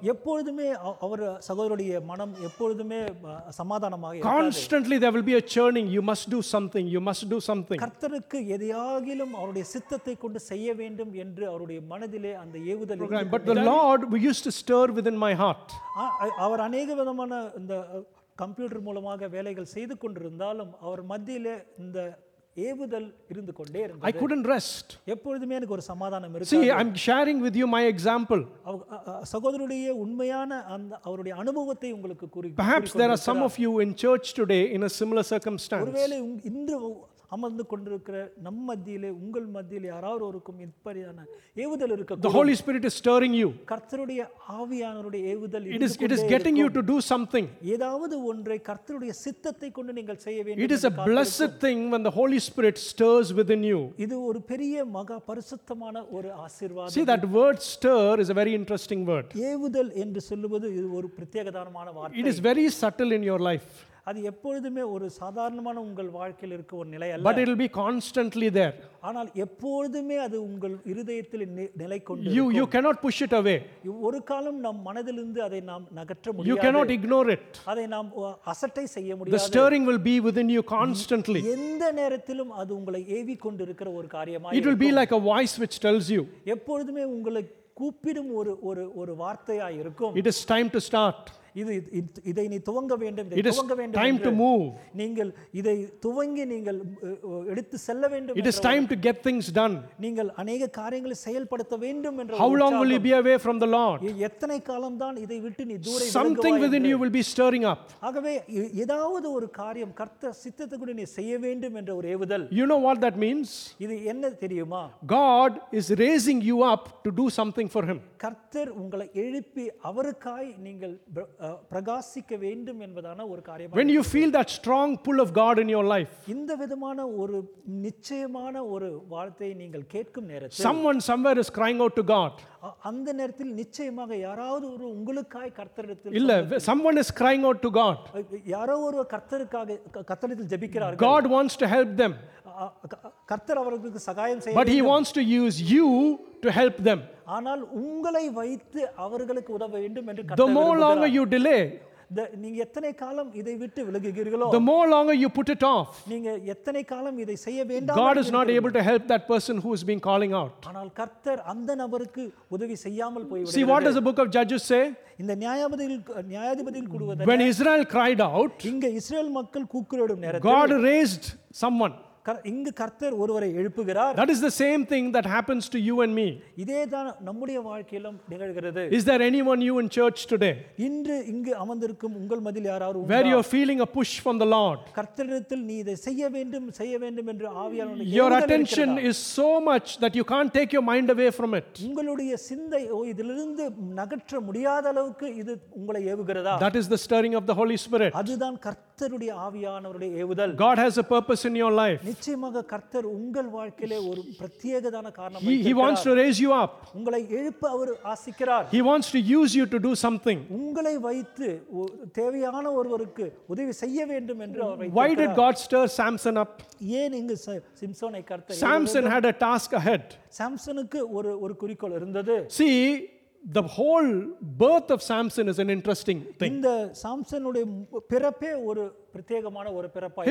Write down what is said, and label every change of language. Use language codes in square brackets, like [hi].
[ta] எப்பொழுதுமே அவர் சகோதரருடைய மனம் எப்பொழுதுமே சமாதானமாக இருக்காது. [en] Constantly there will be a churning, you must do something, you must do something. [ta] கர்த்தருக்கு எதையாகிலும் அவருடைய சித்தத்தை கொண்டு செய்ய வேண்டும் என்று அவருடைய மனதிலே அந்த ஏவுதல். [en] But the Lord we used to stir within my heart. [ta] அவர் அநேக விதமான இந்த கம்ப்யூட்டர் மூலமாக வேலைகள் செய்து கொண்டிருந்தாலும் அவர் மத்தியிலே இந்த ஏவுதல் இருந்து கொண்டே இருந்தது. [en] I couldn't rest. [ta] எப்பொழுதுமே எனக்கு ஒரு சமாதானம் இருக்கு. [en] See, I'm sharing with you my example. [ta] சகோதரருடைய உண்மையான அந்த அவருடைய அனுபவத்தை உங்களுக்கு கூறி. [en] Perhaps there are some of you in church today in a similar circumstance. [ta] ஒருவேளை இன்று அமர்ந்து கொண்டிருக்கிற நம் மத்தியிலே உங்கள் மத்தியிலே யாராவது ஒருக்கும் இப்படியான ஏவுதல் இருக்க, [en] the Holy Spirit is stirring you. [ta] கர்த்தருடைய ஆவியானவருடைய ஏவுதல், [en] it is getting you to do something. [ta] ஏதாவது ஒன்றை கர்த்தருடைய சித்தத்தை கொண்டு நீங்கள் செய்ய வேண்டும். [en] It is a blessed thing when the Holy Spirit stirs within you. [ta] இது ஒரு பெரிய மகா பரிசுத்தமான ஒரு ஆசீர்வாதம். [en] See, that word stir is a very interesting word. [ta] ஏவுதல் என்று சொல்லுவது இது ஒரு பிரத்யேகமான வார்த்தை. [en] It is very subtle in your life. [ta] அது எப்பொழுதுமே ஒரு சாதாரணமான உங்கள் வாழ்க்கையில் இருக்க ஒரு நிலை அல்ல. [en] But it will be constantly there. [ta] ஆனால் எப்பொழுதுமே அது உங்கள் இதயத்தில் நிலை கொண்டு, [en] you cannot push it away. [ta] ஒரு காலம் நம் மனதிலிருந்து அதை நாம் நகற்ற முடியாது. [en] You cannot ignore it. [ta] அதை நாம் அசட்டை செய்ய முடியாது. [en] The stirring will be within you constantly. [ta] எந்த நேரத்திலும் அது உங்களை ஏவி கொண்டிருக்கிற ஒரு காரியமாக, [en] it will be like a voice which tells you. [ta] எப்பொழுதுமே உங்களை கூப்பிடும் ஒரு ஒரு ஒரு வார்த்தையாய் இருக்கும். [en] It is time to start. [ta] இதை நீ துவங்க வேண்டும், இதை துவங்க வேண்டும். [en] It is time to move. [ta] நீங்கள் இதை துவங்கி நீங்கள் எடுத்து செல்ல வேண்டும். [en] It is time to get things done. [ta] நீங்கள் அநேக காரியங்களை செயல்படுத்த வேண்டும் என்ற, [en] how long will you be away from the Lord? [ta] எத்தனை காலம் தான் இதை விட்டு நீ தூரே இருக்கவே? [en] Something within you will be stirring up. [ta] ஆகவே ஏதாவது ஒரு காரியம் கர்த்தர் சித்தத்துக்குள் நீ செய்ய வேண்டும் என்ற ஒரு ஏவுதல். [en] You know what that means? [ta] இது என்ன தெரியுமா? [en] God is raising you up to do something for him. [ta] கர்த்தர் உங்களை எழுப்பி அவருக்காய் நீங்கள் பிரகாசிக்க வேண்டும் என்பதான ஒரு காரியம். [en] When you feel that strong pull of God in your life, [ta] இந்த விதமான ஒரு நிச்சயமான ஒரு வார்த்தையை நீங்கள் கேட்கும் நேரத்தில், [en] someone somewhere is crying out to God, [ta] அந்த நேரத்தில் நிச்சயமாக யாராவது ஒரு உங்களுக்காய் கர்த்தரிடத்தில், இல்ல, [en] someone is crying out to God, [ta] யாரோ ஒரு கர்த்தருக்காக கர்த்தரிடத்தில் ஜெபிக்கிறார்கள். [en] God wants to help them. [ta] கர்த்தர் அவர்களுக்கு சகாயம் செய்ய, [en] but he wants to use you to help them. [ta] ஆனால் உங்களை வைத்து அவர்களுக்கு உதவ வேண்டும் என்று, [en] the more longer you delay, [ta] நீங்க எத்தனை காலம் இதை விட்டு விலகுகிறீர்களோ, [en] the more longer you put it off, [ta] நீங்க எத்தனை காலம் இதை செய்ய வேண்டாம், [en] God is not able to help that person who is being calling out. [ta] ஆனால் கர்த்தர் அந்த நபருக்கு உதவி செய்யாமல் போய்விடுகிறார். [en] See, what does the book of Judges say? [ta] இந்த நியாயாதிபதிகள் கூடுவதற்கு, [en] when Israel cried out, [ta] இங்க இஸ்ரேல் மக்கள் கூக்குரலிடும் நேரத்தில், [en] God raised someone. [ta] இங்கு கர்த்தர் ஒருவரை எழுப்புகிறார். [en] That is the same thing that happens to you and me. [ta] இதே தான் நம்முடைய வாழ்க்கையிலும் நிகழ்கிறது. [en] Is there anyone you in church today? [ta] இன்று இங்கு அமர்ந்திருக்கும் உங்கள் மதில் யாராவது, [en] where you are feeling a push from the Lord, [ta] கர்த்தரிடத்தில் நீ இதை செய்ய வேண்டும் என்று ஆவியானவர், [en] your attention is so much that you can't take your mind away from it. [ta] உங்களுடைய சிந்தை இதிலிருந்து நகற்ற முடியாத அளவுக்கு இது உங்களை ஏவுகிறதா? [en] That is the stirring of the Holy Spirit. [ta] அதுதான் கர்த்தருடைய ஆவியானவருடைய ஏவுதல். [en] God has a purpose in your life. [ta] நிச்சயமாக கர்த்தர் உங்கள் வாழ்க்கையிலே ஒரு பிரத்யேகமான காரணம். [en] He wants to raise you up. [ta] உங்களை எழுப்ப அவர் ஆசிக்கிறார். [en] He wants to use you to do something. [ta] உங்களை வைத்து தேவையான ஒருவருக்கு உதவி செய்ய வேண்டும் என்று அவர் வைத்தார். [en] Why did God stir Samson up? [ta] ஏன் இங்கு சிம்சோனை கர்த்தர்? [en] Samson had a task ahead. [ta] சாம்சனுக்கு ஒரு ஒரு குறிக்கோள் இருந்தது. [en] See, the whole birth of Samson is an interesting thing. [ta] இந்த சாம்சனுடைய பிறப்பே ஒரு பிரத்யேகமான ஒரு பிறப்பாய்.